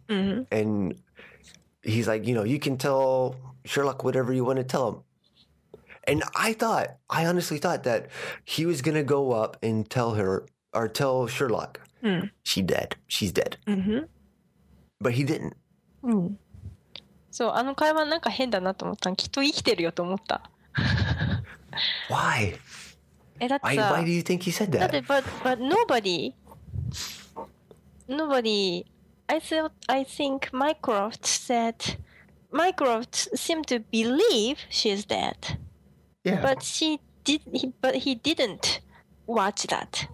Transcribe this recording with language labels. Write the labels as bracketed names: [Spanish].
[English] Mm-hmm. And he's like, you know, you can tell Sherlock whatever you want to tell him. And I honestly thought that he was going to go up and tell her or tell Sherlock, she's dead. She's dead. Mm-hmm. But he didn't. Mm. [Japanese] そう、あの会話なんか変だなと思ったん。きっと生きてるよと思った。 [English] Why? [Japanese] え、だってさ、 [English] Why do you think he said that? [Japanese] だって、 [English] but nobody, I think Mycroft said, Mycroft seemed to believe she's dead. Yeah. But he didn't watch that.